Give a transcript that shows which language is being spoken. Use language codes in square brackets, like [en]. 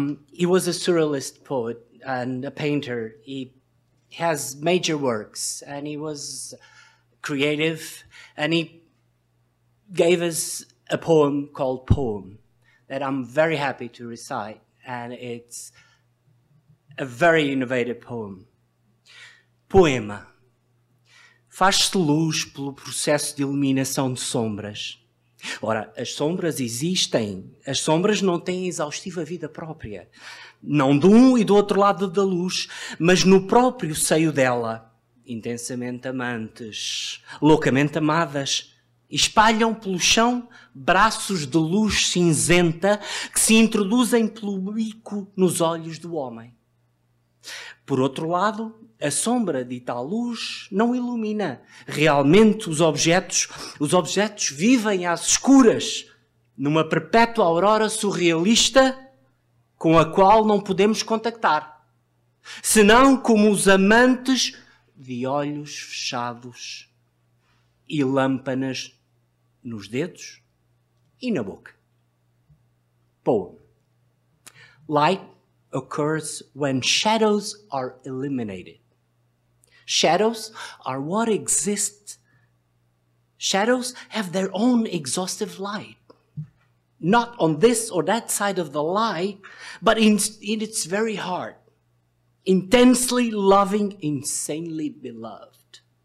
[en] He was a surrealist poet and a painter. He has major works and he was creative and he gave us a poem called Poem. That I'm very happy to recite, and it's a very innovative poem. [pt] Poema. Faz-se luz pelo processo de iluminação de sombras. Ora, as sombras existem. As sombras não têm exaustiva vida própria. Não de um e do outro lado da luz, mas no próprio seio dela. Intensamente amantes, loucamente amadas, espalham pelo chão braços de luz cinzenta que se introduzem pelo bico nos olhos do homem. Por outro lado, a sombra de tal luz não ilumina realmente os objetos. Os objetos vivem às escuras, numa perpétua aurora surrealista com a qual não podemos contactar. senão como os amantes de olhos fechados e lâmpadas nos dedos e na boca. [en] Poem. Light occurs when shadows are eliminated. Shadows are what exist. Shadows have their own exhaustive light, not on this or that side of the light, but in its very heart, intensely loving, insanely beloved.